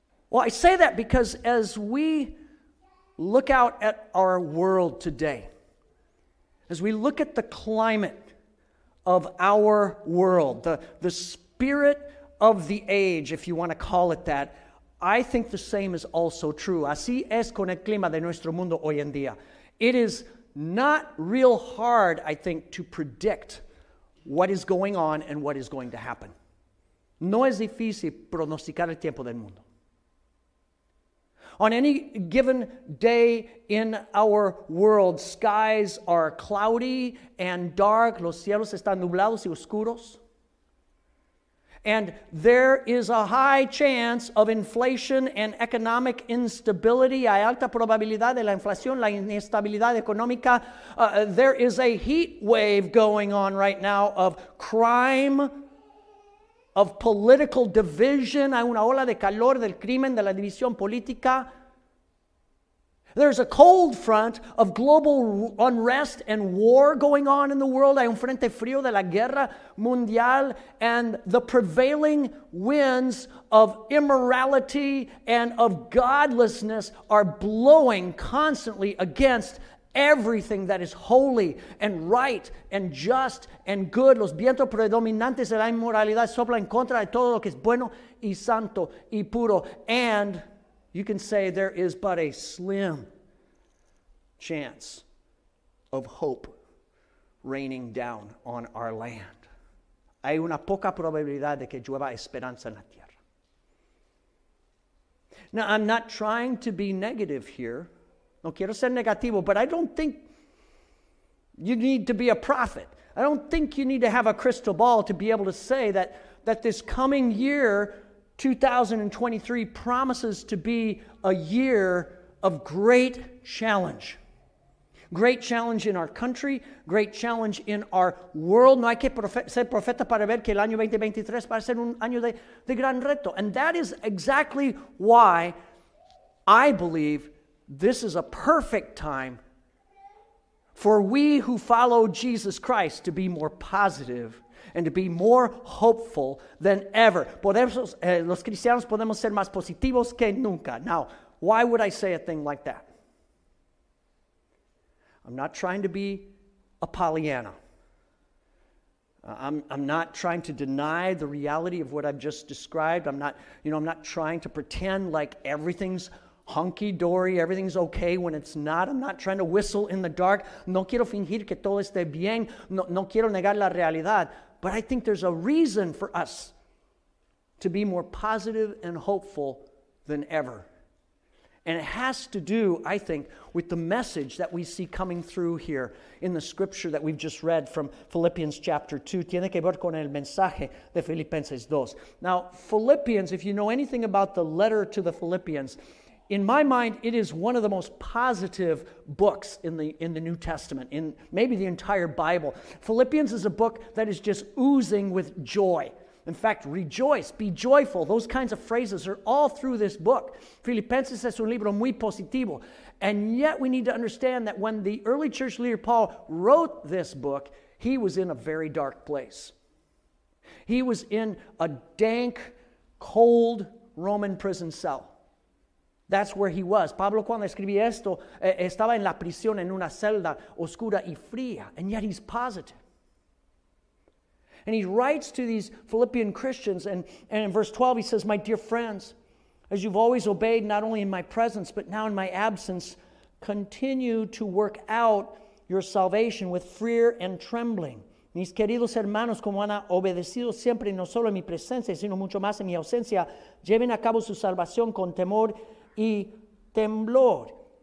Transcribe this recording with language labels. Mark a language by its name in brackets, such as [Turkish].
[English] Well, I say that because as we look out at our world today, as we look at the climate of our world, the spirit of the age, if you want to call it that, I think the same is also true. [Spanish] Así es con el clima de nuestro mundo hoy en día. [English] It is not real hard, I think, to predict what is going on and what is going to happen. [Spanish] No es difícil pronosticar el tiempo del mundo. [English] On any given day in our world, skies are cloudy and dark. [Spanish] Los cielos están nublados y oscuros. [English] And there is a high chance of inflation and economic instability. [Spanish] Hay alta probabilidad de la inflación, la inestabilidad económica. [English] There is a heat wave going on right now of crime, of political division. [Spanish] Hay una ola de calor del crimen, de la división política. [English] There's a cold front of global unrest and war going on in the world. [Spanish] Hay un frente frío de la guerra mundial, [English] and the prevailing winds of immorality and of godlessness are blowing constantly against everything that is holy and right and just and good. [Spanish] Los vientos predominantes de la inmoralidad soplan en contra de todo lo que es bueno y santo y puro. [English] And you can say there is but a slim chance of hope raining down on our land. [Spanish] Hay una poca probabilidad de que llueva esperanza en la tierra. [English] Now, I'm not trying to be negative here. [Spanish] No quiero ser negativo, [English] but I don't think you need to be a prophet. I don't think you need to have a crystal ball to be able to say that this coming year, 2023, promises to be a year of great challenge. Great challenge in our country, great challenge in our world. [Spanish] No hay que ser profeta para ver que el año 2023 va a ser un año de gran reto. [English] And that is exactly why I believe this is a perfect time for we who follow Jesus Christ to be more positive and to be more hopeful than ever. [Spanish] Los cristianos podemos ser más positivos que nunca. [English] Now, why would I say a thing like that? I'm not trying to be a Pollyanna. I'm not trying to deny the reality of what I've just described. I'm not trying to pretend like everything's hunky-dory, everything's okay when it's not. I'm not trying to whistle in the dark. [Spanish] No quiero fingir que todo esté bien. No quiero negar la realidad. [English] But I think there's a reason for us to be more positive and hopeful than ever. And it has to do, I think, with the message that we see coming through here in the scripture that we've just read from Philippians chapter 2. [Spanish] Tiene que ver con el mensaje de Filipenses 2. [English] Now, Philippians, if you know anything about the letter to the Philippians, in my mind, it is one of the most positive books in the New Testament, in maybe the entire Bible. Philippians is a book that is just oozing with joy. In fact, rejoice, be joyful. Those kinds of phrases are all through this book. [Spanish] Filipenses es un libro muy positivo. [English] And yet we need to understand that when the early church leader Paul wrote this book, he was in a very dark place. He was in a dank, cold Roman prison cell. That's where he was. [Spanish] Pablo, cuando escribí esto, estaba en la prisión, en una celda oscura y fría. [English] And yet he's positive. And he writes to these Philippian Christians, and in verse 12 he says, "My dear friends, as you've always obeyed, not only in my presence, but now in my absence, continue to work out your salvation with fear and trembling. [Spanish] Mis queridos hermanos, como han obedecido siempre, no solo en mi presencia, sino mucho más en mi ausencia, lleven a cabo su salvación con temor y temblor."